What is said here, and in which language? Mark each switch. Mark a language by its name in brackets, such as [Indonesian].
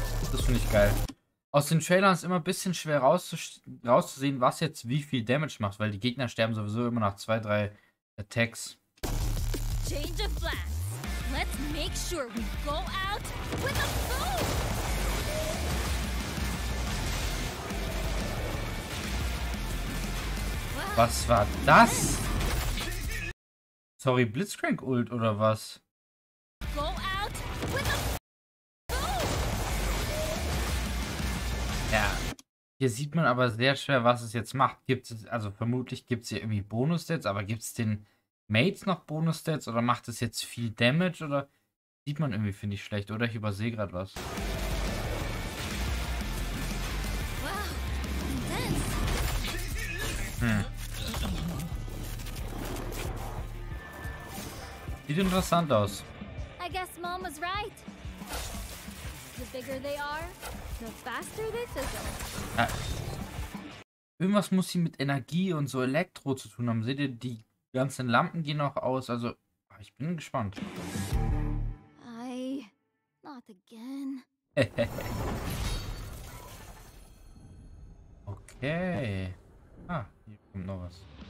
[German] Das finde ich geil. Aus den Trailern ist immer ein bisschen schwer rauszusehen, was jetzt wie viel Damage macht, weil die Gegner sterben sowieso immer nach 2, 3 Attacks. [English] Change of plan. Let's make sure we go out with a boom. [German] Was war das? Sorry, Blitzcrank Ult oder was? [English] Go out with a boom. [German] Ja. Hier sieht man aber sehr schwer, was es jetzt macht. Gibt es, also vermutlich gibt es hier irgendwie Bonus-Sets, aber gibt es den Mates noch Bonus-Stats oder macht es jetzt viel Damage oder sieht man irgendwie, finde ich, schlecht oder ich übersehe gerade was. Sieht interessant aus. [English] I guess Mom was right. The bigger they are, the faster they fizzle. [German] Irgendwas muss sie mit Energie und so Elektro zu tun haben. Seht ihr die? Die ganzen Lampen gehen auch aus, also ich bin gespannt. [English] I... Not again. [German] Okay. Ah, hier kommt noch was.